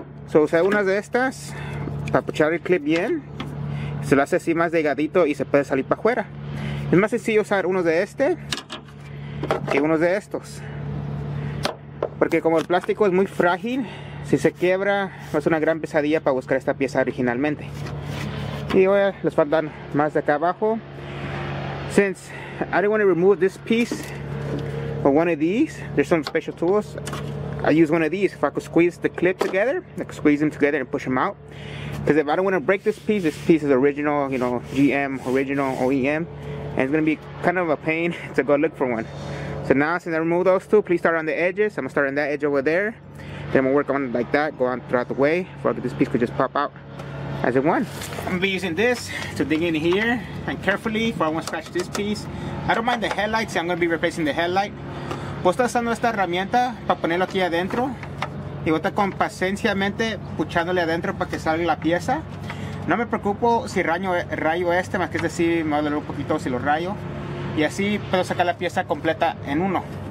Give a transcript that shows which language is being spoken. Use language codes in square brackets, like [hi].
[es] So usé una de estas para puchar el clip bien. Se lo hace así más delgadito y se puede salir para afuera. Es más sencillo usar uno de este que unos de estos, porque como el plástico es muy frágil, si se quiebra es una gran pesadilla para buscar esta pieza originalmente. Y ahora les faltan más de acá abajo. [en] Since I didn't want to remove this piece or one of these, there's some special tools. I use one of these. If I could squeeze the clip together, I could squeeze them together and push them out. Because if I don't want to break this piece is original, you know, GM, original OEM. And it's going to be kind of a pain to go look for one. So now, since I removed those two, please start on the edges. I'm going to start on that edge over there. Then we'll work on it like that, go on throughout the way, before this piece could just pop out as it wants. I'm going to be using this to dig in here and carefully before I want to scratch this piece. I don't mind the headlights, so I'm going to be replacing the headlight. [es] Voy a estar usando esta herramienta para ponerlo aquí adentro. Y voy a estar con pacientemente puchándole adentro para que salga la pieza. No me preocupo si rayo este, más que es decir, me va a doler un poquito si lo rayo. Y así puedo sacar la pieza completa en uno.